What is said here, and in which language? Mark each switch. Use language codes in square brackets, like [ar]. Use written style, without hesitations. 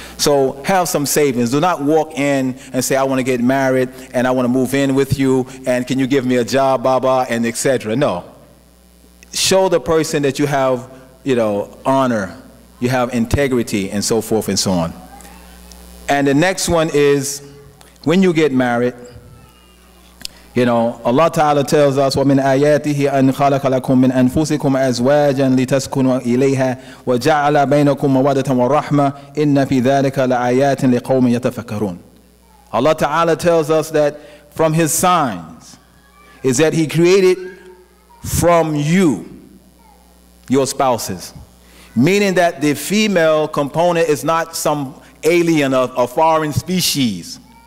[en] So have some savings. Do not walk in and say, I want to get married and I want to move in with you and can you give me a job, baba, and etc. No. Show the person that you have, you know, honor, you have integrity, and so forth and so on. And the next one is, when you get married, you know, Allah Ta'ala tells us, [ar] وَمِنْ آيَاتِهِ أَنْ خَلَقَ لَكُمْ مِنْ أَنفُسِكُمْ أَزْوَاجًا لِتَسْكُنُوا إِلَيْهَا وَجَعَلَ بَيْنَكُمْ مَوَدَّةً وَرَحْمَةً إِنَّ فِي ذَلِكَ لَآيَاتٍ لِقَوْمٍ يَتَفَكَّرُونَ. [en] Allah Ta'ala tells us that from His signs is that He created from you your spouses, meaning that the female component is not some alien of a foreign species.